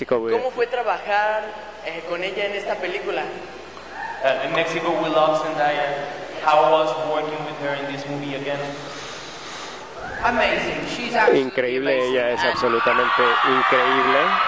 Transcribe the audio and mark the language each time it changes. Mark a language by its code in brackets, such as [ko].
[es] ¿Cómo fue trabajar con ella en esta película? En México, [en] we love Zendaya. How was working with her in this movie again? Amazing. She's absolutely [es] increíble. [en] Amazing. [es] Ella es absolutamente increíble.